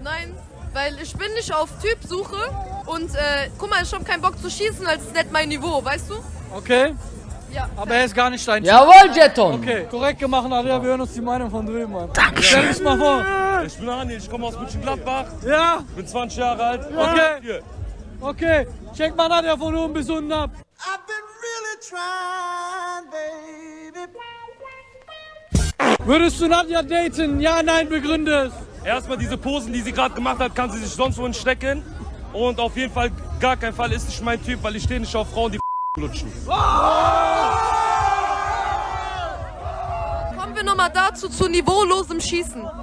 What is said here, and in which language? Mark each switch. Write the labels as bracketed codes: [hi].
[de] Nein, weil ich bin nicht auf Typsuche und guck mal, ich hab keinen Bock zu schießen, weil es ist nicht mein Niveau, weißt du? Okay. Ja. Aber er ist gar nicht dein Typ. Jawohl, Jeton! Okay, korrekt gemacht, Alter. Ja. Wir hören uns die Meinung von drüben, Mann. Dankeschön. Stell dich mal vor. Ich bin Andi, ich komme aus Mönchengladbach. Ja. Bin 20 Jahre alt. Ja. Okay. Hier. Okay, check mal Nadja von oben bis unten ab. [en] I've been really trying, baby. [de] Würdest du Nadja daten? Ja, nein, begründe es. Erstmal diese Posen, die sie gerade gemacht hat, kann sie sich sonst wohin stecken. Und auf jeden Fall, gar kein Fall, ist nicht mein Typ, weil ich stehe nicht auf Frauen, die lutschen. Kommen wir nochmal dazu, zu niveaulosem Schießen.